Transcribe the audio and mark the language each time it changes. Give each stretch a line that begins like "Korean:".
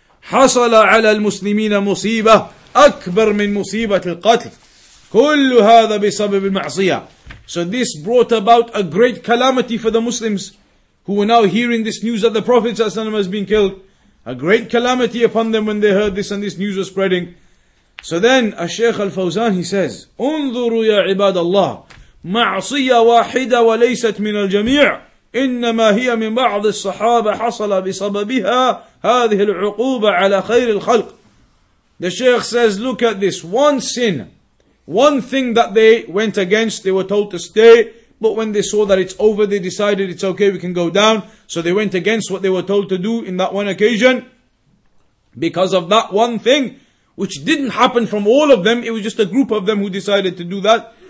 Arabic: حَصَلَ عَلَى الْمُسْلِمِينَ مُصِيبَةً أَكْبَرْ مِنْ مُصِيبَةِ الْقَتْلِ كُلُّ هَذَا بِسَبَبِ الْمَعْصِيَةِ.
English: So this brought about a great calamity for the Muslims, who were now hearing this news that the Prophet ﷺ has been killed. A great calamity upon them when they heard this and this news was spreading. So then, Shaykh Al Fawzaan, he says,
Arabic: انظروا يا عباد الله معصية واحدة وليست من الجميع إنما هي من بعض الصحابة حصل بسببها هذه العقوبة على خير الخلق.
English: The Shaykh says, look at this, one sin, one thing that they went against, they were told to stay, but when they saw that it's over, they decided it's okay, we can go down. So they went against what they were told to do in that one occasion, because of that one thing, which didn't happen from all of them, it was just a group of them who decided to do that.